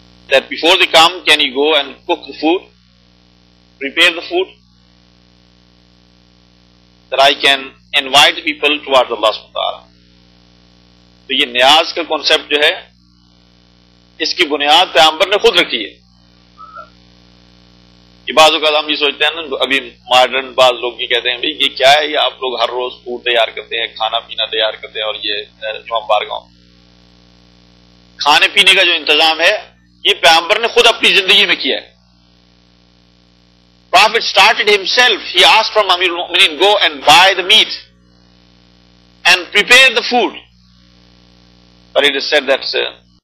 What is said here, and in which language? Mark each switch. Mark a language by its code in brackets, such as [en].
[en] that before they come, can you go and cook the food, prepare the food, that I can invite people towards Allah subhanahu wa ta'ala. [ur] تو یہ نیاز کا concept جو ہے اس کی بنیاد پیغمبر نے خود رکھی ہے. یہ بعض اوقات ہم یہ سوچتے ہیں نا, ابھی ماڈرن بعض لوگ یہ کہتے ہیں بھائی یہ کیا ہے, یہ آپ لوگ ہر روز فوڈ تیار کرتے ہیں, کھانا پینا تیار کرتے ہیں, اور یہ جمعہ بارگاہوں کھانے پینے کا جو انتظام ہے یہ پیغمبر نے خود اپنی زندگی میں کیا ہے. [en] Prophet started himself, he asked from Amir al-Mu'minin, go and buy the meat and prepare the food. But it is said that